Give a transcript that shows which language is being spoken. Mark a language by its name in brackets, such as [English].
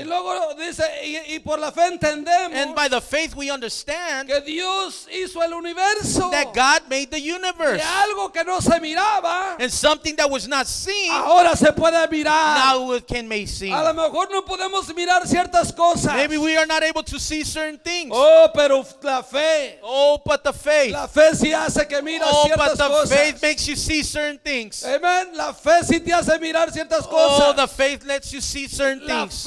[Spanish] Y luego dice, y por la fe entendemos. [English] And by the faith we understand [Spanish] que Dios hizo el universo. [English] That God made the universe. [Spanish] Y algo que no se miraba. [English] And something that was not seen. [Spanish] Ahora se puede mirar. [English] Now it can be seen. [Spanish] A lo mejor no podemos mirar ciertas cosas. [English] Maybe we are not able to see certain things. [Spanish] Oh, pero la fe. [English] Oh, but the faith. [Spanish] La fe sí hace que miras ciertas cosas. [English] Oh, but the [Spanish] cosas. [English] Faith makes you see certain things. Amen. [Spanish] La fe sí te hace mirar ciertas cosas. [English] Oh, the faith lets you see certain things.